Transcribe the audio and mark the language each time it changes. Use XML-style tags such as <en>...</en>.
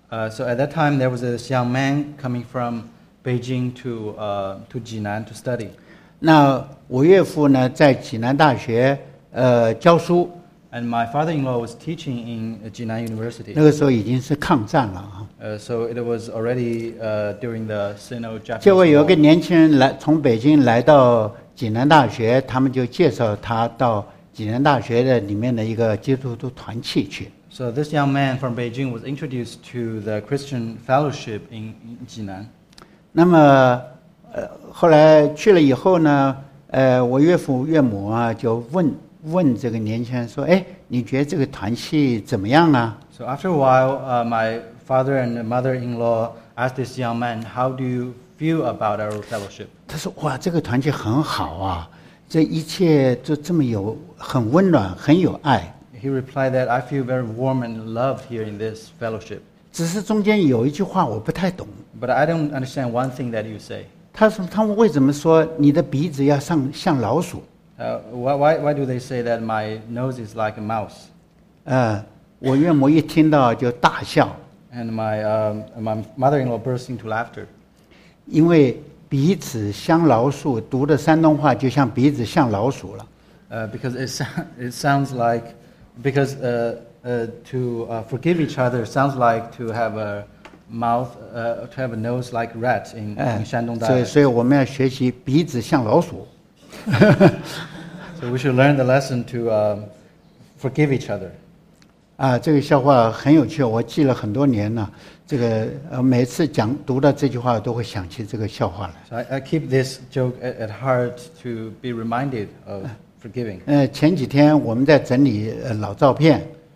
<en>So at that time there was a young man coming from Beijing to Jinan to study.</en> <zh>那我岳父呢在济南大学教书。</zh> <en>And my father-in-law was teaching in Jinan University.</en> <zh>那个时候已经是抗战了啊。</zh> <en>So it was already during the Sino-Japanese.</en> <zh>结果有一个年轻人来从北京来到济南大学，他们就介绍他到济南大学的里面的一个基督徒团契去。</zh> <en>So this young man from Beijing was introduced to the Christian Fellowship in 济南。</en> <zh>那么，后来去了以后呢，我岳父岳母啊就问这个年轻人说：“哎，你觉得这个团契怎么样啊？”</zh> <en>So after a while, my father and mother-in-law asked this young man, "How do you feel about our fellowship?"</en> <zh>他说：“哇，这个团契很好啊，这一切就这么有很温暖，很有爱。”</zh> <en>He replied that I feel very warm and loved here in this fellowship.</en> <zh>只是中间有一句话我不太懂。</zh> <en>But I don't understand one thing that you say.</en> <zh>他为什么说你的鼻子要像老鼠？</zh> <en>Why do they say that my nose is like a mouse?</en> <zh>我岳母一听到就大笑。</zh> <en>And my mother-in-law burst into laughter.</en> <zh>因为鼻子像老鼠，读的山东话就像鼻子像老鼠了。</zh> <en>Because it sounds like, because to forgive each other sounds like to have a mouth, to have a nose like rat in Shandong dialect.</en> <zh>所以我们要学习鼻子像老鼠。</zh> <en>So we should learn the lesson to forgive each other.</en> <zh>啊，这个笑话很有趣，我记了很多年了。这个每次讲读到这句话，都会想起这个笑话来。</zh> <en>So I keep this joke at heart to be reminded of forgiving.</en> <zh>前几天我们在整理老照片。</zh>